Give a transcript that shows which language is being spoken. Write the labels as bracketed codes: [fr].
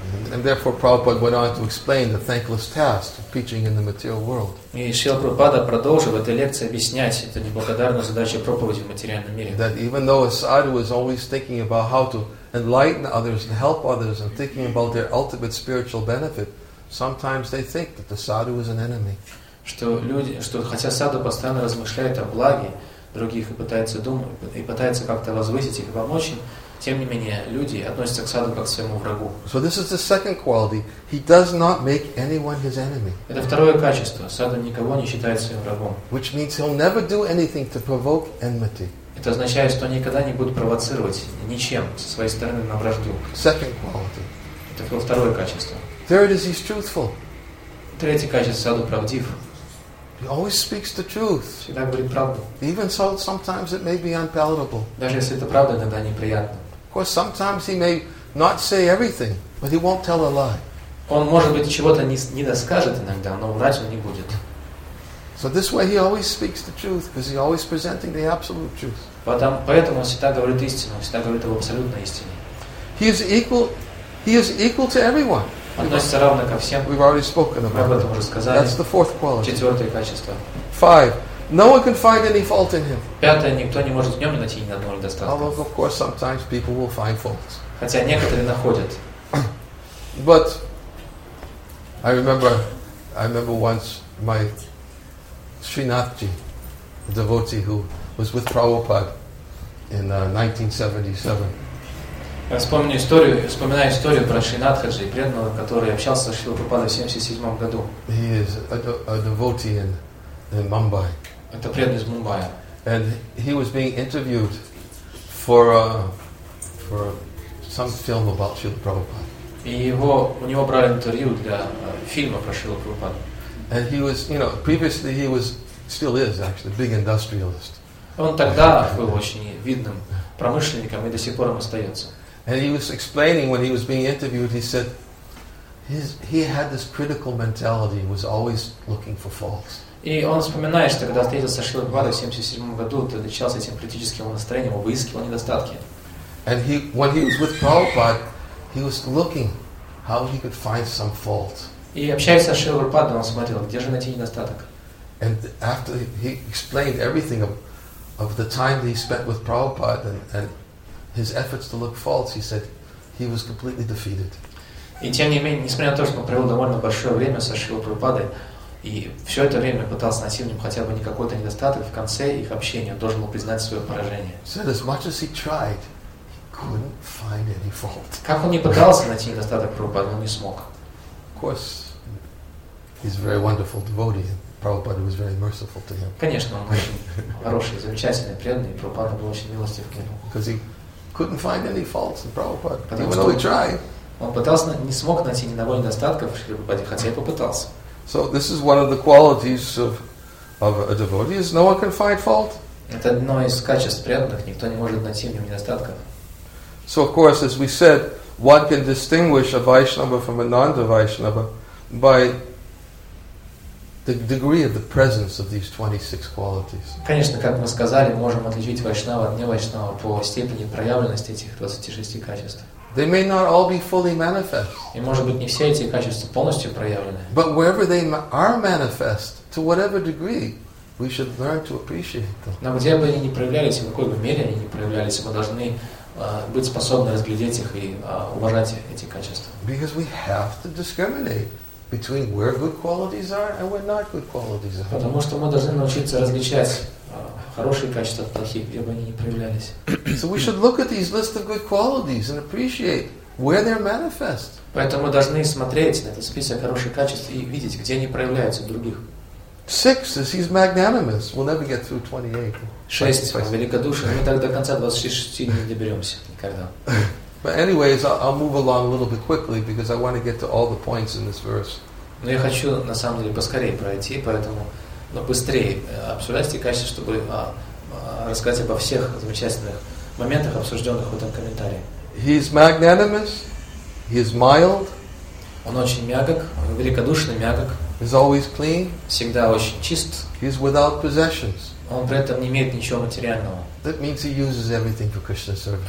[en] And therefore, Prabhupada went on to explain the thankless task of preaching in the material world. [ru] И Шрила Прабхупада продолжил в этой лекции объяснять эту неблагодарную задачу проповеди в материальном мире. [en] That even though a sadhu is always thinking about how to enlighten others and help others and thinking about their ultimate spiritual benefit, sometimes they think that the sadhu is an enemy. [ru] Что хотя саду постоянно размышляет о благе других и пытается думать и пытается как-то возвысить их и помочь им. Тем не менее, люди относятся к саду как к своему врагу. [en] So this is the second quality. He does not make anyone his enemy. [ru] Это второе качество. Саду никого не считает своим врагом. [en] Which means he'll never do anything to provoke enmity. [ru] Это означает, что он никогда не будет провоцировать ничем со своей стороны на вражду. [en] Second quality. [ru] Это было второе качество. [en] Third is he's truthful. [ru] Третье качество. Саду правдив. [en] He always speaks the truth. [ru] Всегда говорит правду. [en] Even so, sometimes it may be unpalatable. [ru] Даже если это правда, иногда неприятно. [en] Of course, sometimes he may not say everything, but he won't tell a lie. [ru] Он может быть чего-то не доскажет иногда, но врать он не будет. [en] So this way, he always speaks the truth because he's always presenting the absolute truth. [ru] Поэтому он всегда говорит истину, всегда говорит об абсолютной истине. [en] He is equal to everyone. We've already spoken about it. That's the fourth quality. [ru] Четвертое качество. [en] Five. No one can find any fault in him. [ru] Пятое. Никто не может в нем найти ни одного недостатка. [en] Although, of course, sometimes people will find faults. [ru] Хотя некоторые находят. [en] But I remember once my Srinathji, a devotee who was with Prabhupada in 1977. [ru] Вспоминаю историю про Шринатхаджи, преданного, который общался с Шрилой Прабхупадой в 1977 году. [en] He is a devotee in Mumbai. [ru] Это преданный из Мумбая. [en] And he was being interviewed for some film about Шрила Прабхупада. [ru] И у него брали интервью для фильма про Шрилу Прабхупаду. [en] And he was, you know, previously he was, still is actually, a big industrialist. [ru] Он тогда был очень видным промышленником и до сих пор им остается. [en] And he was explaining when he was being interviewed, he said he had this critical mentality and was always looking for faults. [ru] И он вспоминает, что когда встретился с Шрилой Прабхупадой в 1977 году, то отличался этим критическим настроением, выискивал недостатки. [en] And when he was with Prabhupada, he was looking how he could find some fault. [ru] И общаясь со Шрилой Прабхупадой, он смотрел, где же найти недостаток. [en] And after he explained everything of the time that he spent with Prabhupada and his efforts to look false, he said, he was completely defeated. [ru] И тем не менее, несмотря на то, что он провел довольно большое время со Шрилой Прабхупадой, и все это время пытался найти в нем хотя бы не какой-то недостаток, в конце их общения он должен был признать свое поражение. [en] Said, as much as he tried, he couldn't find any fault. [ru] Как он не пытался найти недостаток Прабхупады, он не смог. [en] Of course, he's a very wonderful devotee. Prabhupada was very merciful to him. [ru] Конечно, он очень хороший, замечательный, преданный, и Прабхупада был очень милостив к нему. [en] Because he couldn't find any faults in Prabhupada, even though he tried. [ru] Он пытался, не смог найти ни одного недостатка в Шриле Прабхупаде, хотя и попытался. [en] So this is one of the qualities of a devotee, is no one can find fault. [ru] Это одно из качеств преданных, никто не может найти в нем недостатков. [en] So of course, as we said, one can distinguish a Vaishnava from a non-Vaishnava by the degree of the presence of these 26 qualities. [ru] Конечно, как мы сказали, можем отличить вайшнава от невайшнава по степени проявленности этих 26 качеств. [en] They may not all be fully manifest. [ru] И может быть, не все эти качества полностью проявлены. [en] But wherever they are manifest, to whatever degree, we should learn to appreciate them. [ru] Но где бы они ни проявлялись, в какой бы мере они ни проявлялись, мы должны быть способны разглядеть их и уважать эти качества. [en] Because we have to discriminate between where good qualities are and where not good qualities are. [ru] Потому что мы должны научиться различать хорошие качества от плохих, где бы они ни проявлялись. [en] So we should look at these list of good qualities and appreciate where they're manifest. [ru] Поэтому мы должны смотреть на этот список хороших качеств и видеть, где они проявляются в других. [en] Six is he's magnanimous. We'll never get through 28. [ru] Шесть, великодушие. Мы так до конца 26 не доберемся никогда. [en] But anyways, I'll move along a little bit quickly because I want to get to all the points in this verse. [ru] Но я хочу на самом деле поскорее пройти, поэтому быстрее обсуждать эти качества, чтобы рассказать обо всех замечательных моментах, обсужденных в этом комментарии. [en] He's magnanimous. He's mild. [ru] Он очень мягок, великодушный, мягок. [en] He's always clean. [ru] Всегда очень чист. [en] He's without possessions. [ru] Он при этом не имеет ничего материального. [en] That means he uses everything for Krishna's service.